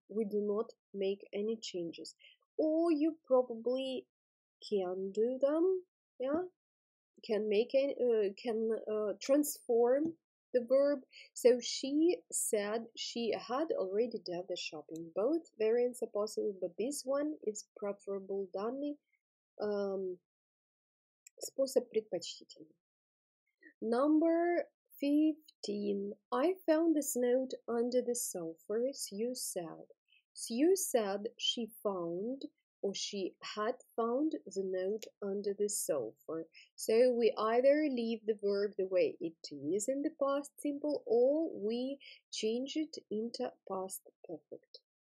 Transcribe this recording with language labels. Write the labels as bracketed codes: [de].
[en] We do not make any changes. Or you probably can do them, yeah? Can make any, transform the verb. So she said she had already done the shopping. Both variants are possible, but this one is preferable. [ru] Данный способ предпочтительный. [en] Number 15. I found this note under the sofa, Sue said. Sue said she found or she had found the note under the sofa. So we either leave the verb the way it is in the past simple or we change it into past perfect.